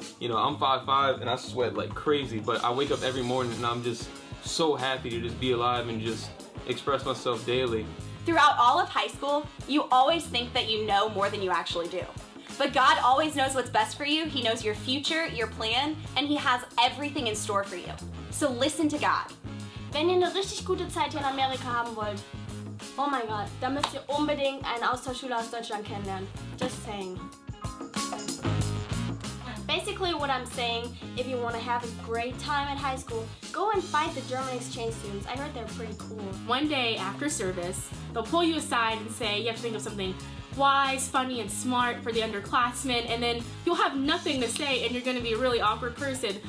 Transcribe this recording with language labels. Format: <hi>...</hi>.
<en>You know, I'm 5'5", and I sweat like crazy, but I wake up every morning, and I'm just so happy to just be alive and just express myself daily. Throughout all of high school, you always think that you know more than you actually do. But God always knows what's best for you. He knows your future, your plan, and He has everything in store for you. So listen to God.</en> <de>Wenn ihr eine richtig gute Zeit in Amerika haben wollt, oh mein Gott, dann müsst ihr unbedingt einen Austauschschüler aus Deutschland kennenlernen.</de> <en>Just saying. Basically what I'm saying, if you want to have a great time at high school, go and fight the German exchange students. I heard they're pretty cool. One day after service, they'll pull you aside and say you have to think of something wise, funny, and smart for the underclassmen, and then you'll have nothing to say and you're going to be a really awkward person.</en>